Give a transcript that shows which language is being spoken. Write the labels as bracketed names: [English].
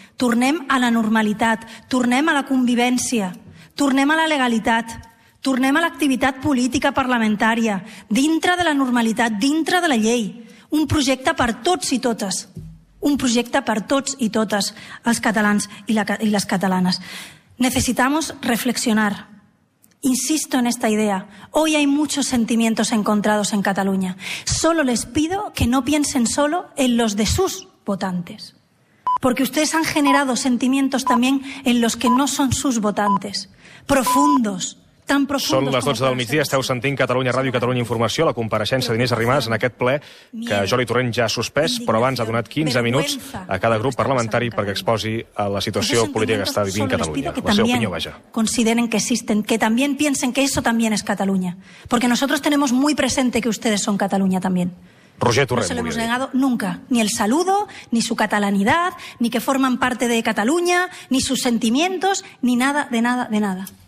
[Catalan] Tornem a la normalitat, tornem a la convivència, tornem a la legalitat, tornem a l'activitat política parlamentària, dintre de la normalitat, dintre de la llei. Un projecte per tots i totes. Un projecte per tots i totes, els catalans i les catalanes. [Spanish] Necesitamos reflexionar. Insisto en esta idea. Hoy hay muchos sentimientos encontrados en Cataluña. Solo les pido que no piensen solo en los de sus votantes. Porque ustedes han generado sentimientos también en los que no son sus votantes. Profundos, tan profundos. [Catalan] Són les 12 del migdia, esteu sentint Catalunya Ràdio, Catalunya Informació, la compareixença d'Inés Arrimadas en aquest ple que Jordi Torrent ja ha suspès, però abans ha donat 15 minuts a cada grup parlamentari perquè exposi a la situació política que està vivint Catalunya. La seva opinió, vaja. [Spanish] Consideren que existen, que también piensen que eso también es Cataluña. Porque nosotros tenemos muy presente que ustedes son Cataluña también. Roger Torrent, no se lo hemos negado nunca, ni el saludo, ni su catalanidad, ni que forman parte de Cataluña, ni sus sentimientos, ni nada, de nada, de nada.